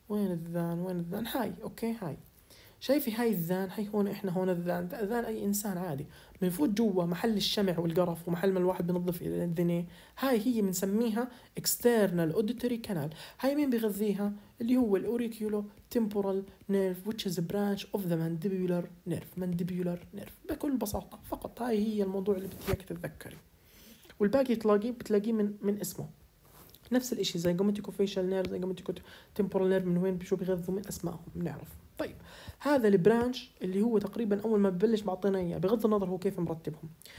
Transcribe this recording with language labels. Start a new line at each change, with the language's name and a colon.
Arabic: وين الذان هاي اوكي هاي شايفي هاي الذان، هاي هون احنا هون الذان، ذان اي انسان عادي بنفوت جوا محل الشمع والقرف ومحل ما الواحد بنظف الذنية، هاي هي بنسميها external auditory canal. هاي مين بيغذيها؟ اللي هو الاوريكيولو
English: temporal nerve which is a branch of the mandibular nerve.
Arabic: بكل بساطة فقط هاي هي الموضوع اللي بتياك تتذكري، والباقي بتلاقيه من اسمه. نفس الاشي زي جومتيكو فيشال نيرف، زي جومتيكو تيمبورال نيرف، من وين بشو بيغذوا من اسمائهم بنعرف. طيب هذا البرانش اللي هو تقريبا اول ما ببلش معطينا اياه بغض النظر هو كيف مرتبهم.